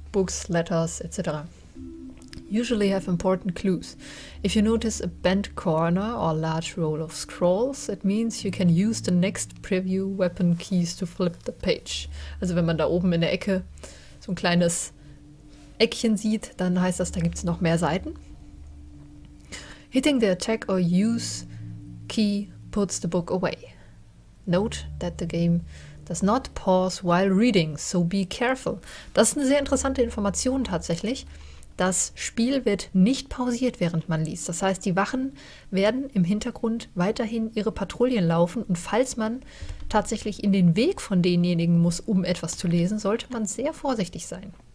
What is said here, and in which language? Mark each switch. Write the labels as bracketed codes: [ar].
[en] Books, letters, etc. Usually have important clues. If you notice a bent corner or large roll of scrolls, it means you can use the next preview weapon keys to flip the page. [de] Also wenn man da oben in der Ecke so ein kleines Eckchen sieht, dann heißt das, da gibt es noch mehr Seiten. [en] Hitting the attack or use key puts the book away. Note that the game does not pause while reading, so be careful. [de] Das ist eine sehr interessante Information tatsächlich. Das Spiel wird nicht pausiert, während man liest. Das heißt, die Wachen werden im Hintergrund weiterhin ihre Patrouillen laufen. Und falls man tatsächlich in den Weg von denjenigen muss, um etwas zu lesen, sollte man sehr vorsichtig sein.